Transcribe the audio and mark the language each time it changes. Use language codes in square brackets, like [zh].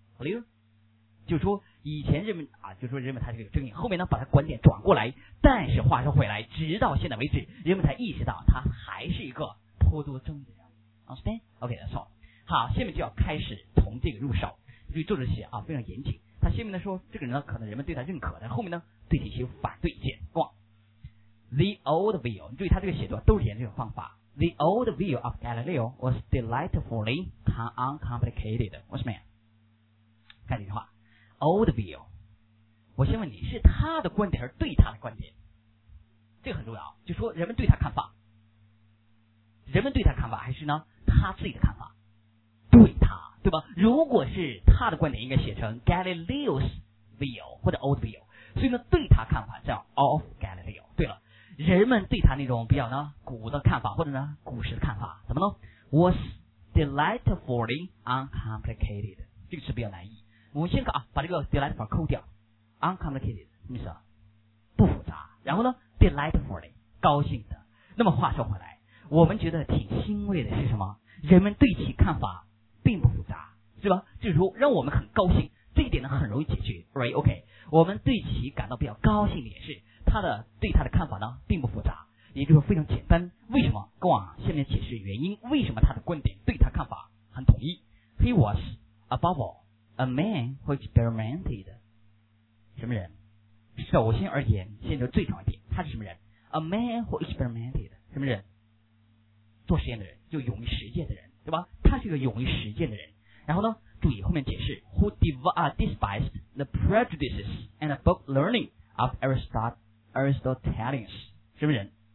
[zh] 例如，就说以前人们啊，就说人们他是有争议，后面呢把他观点转过来，但是话说回来，直到现在为止，人们才意识到他还是一个颇多争议的人物。 [en] Understand? Okay, that's all。 [zh] 好，下面就要开始从这个入手。所以作者写啊非常严谨，他下面呢说这个人呢可能人们对他认可，但后面呢对其有反对意见。 [en] The old view， [zh] 注意他这个写作都是沿这种方法。 [en] The old view of Galileo was delightfully uncomplicated。 What's mean？ [zh] 看这句话 [en] ，old view。 [zh] 我先问你，是他的观点还是对他的观点？这个很重要，就说人们对他看法，人们对他看法还是呢他自己的看法？对他，对吧？如果是他的观点，应该写成 [en] Galileo's view [zh] 或者 [en] old view。 [zh] 所以呢，对他看法叫 of Galileo。对了。人们对他那种比较呢古的看法，或者呢古时的看法，怎么呢 ？ [en] Was delightfully uncomplicated， [zh] 这个词比较难译。我们先看啊，把这个 delightful 抠掉 ，uncomplicated 什么意思？不复杂。然后呢 ，delightfully 高兴的。那么话说回来，我们觉得挺欣慰的是什么？人们对其看法并不复杂，是吧？就是说让我们很高兴，这一点呢很容易解决 ， [en] right？OK，、okay, [zh] 我们对其感到比较高兴的也是。他的对他的看法呢并不复杂，也就是非常简单。为什么？跟我下面解释原因，为什么他的观点对他看法很统一。 [en] He was above all a man who experimented。 [zh] 什么人？首先而言，现在最重要一点，他是什么人？ [en] A man who experimented。 [zh] 什么人？做实验的人，就勇于实践的人，对吧？他是一个勇于实践的人。然后呢注意后面解释， [en] Who despised the prejudices and the book learning of Aristotelians。 [zh] 什么人？